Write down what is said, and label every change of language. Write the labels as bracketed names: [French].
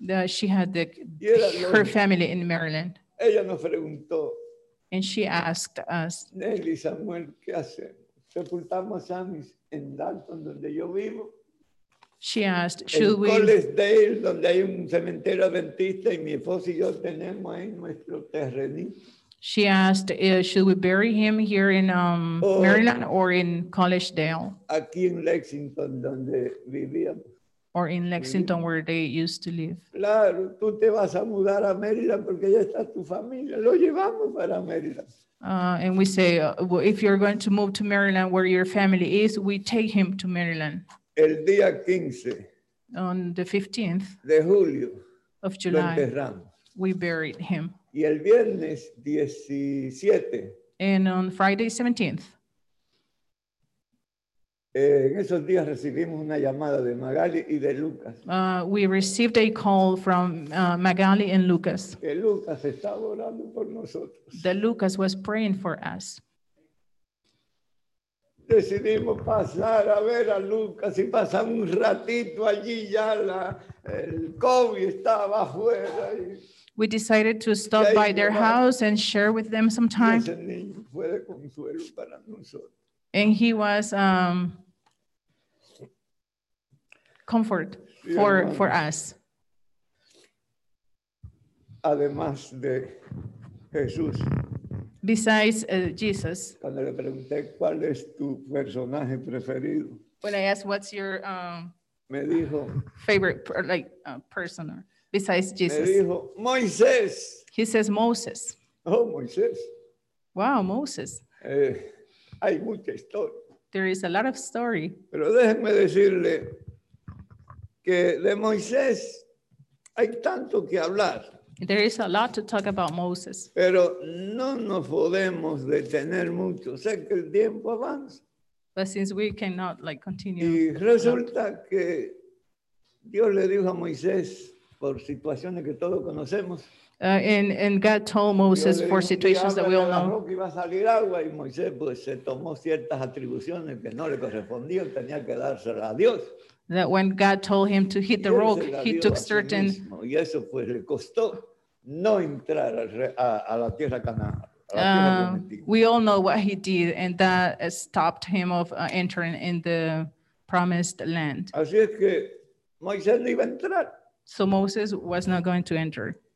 [English] She had her family in Maryland. [Spanish] Ella nos preguntó. [English] And she asked us. [Spanish] Nelly, Samuel, ¿qué hacemos? Sepultamos a mis en Dalton, donde yo vivo. [English] She asked, should we... [Spanish] En Collinsdale, donde hay un cementerio adventista y mi esposo y yo tenemos ahí nuestro terrenito. [English] She asked, should we bury him here in Maryland or in Collinsdale? [Spanish] Aquí en Lexington, donde vivíamos. [English] Or in Lexington, sí. Where they used to live. [Spanish] Claro, tú te vas a mudar a Maryland porque ya está tu familia. Lo llevamos para Maryland. [English] And we say, well, if you're going to move to Maryland where your family is, we take him to Maryland. [Spanish] El día 15, [English] on the 15th [Spanish] de julio, [English] of July, we buried him. [Spanish] Y el viernes 17, [English] and on Friday 17th, [Spanish] en esos días recibimos una llamada de Magali y de Lucas. [English] We received a call from Magali and Lucas. [Spanish] Que Lucas estaba orando por nosotros. [English] That Lucas was praying for us. [Spanish] Decidimos pasar a ver a Lucas y pasar un ratito allí, ya el COVID estaba afuera. [English] We decided to stop by their house and share with them some time. [Spanish] Y ese niño fue de consuelo para nosotros. [English] And he was comfort for us. [Spanish] Además de Jesús. [English] Besides Jesus, [Spanish] cuando le pregunté cuál es tu personaje preferido, [English] when I asked what's your [Spanish] me dijo, [English] favorite person besides Jesus, [Spanish] me dijo, Moisés. [English] He says Moses. [Spanish] Oh, Moisés. [English] Wow, Moses. [Spanish] Hay mucha historia. [English] There is a lot of story. [Spanish] Pero déjenme decirle que de Moisés hay tanto que hablar. [English] There is a lot to talk about Moses. [Spanish] Pero no nos podemos detener mucho. Sé que el tiempo avanza. [English] But since we cannot continue. [Spanish] Y resulta que Dios le dijo a Moisés por situaciones que todos conocemos. [English] And God told Moses for situations that we all know. [Spanish] Que iba a salir agua y Moisés pues se tomó ciertas atribuciones que no le correspondían, tenía que dárselas a Dios. [English] That when God told him to hit the rock, he took certain. [Spanish] Y eso pues le costó no entrar a la tierra Canaán. [English] We all know what he did, and that stopped him of entering in the promised land. [Spanish] Así es que Moisés no iba a entrar. [English] So Moses was not going to enter.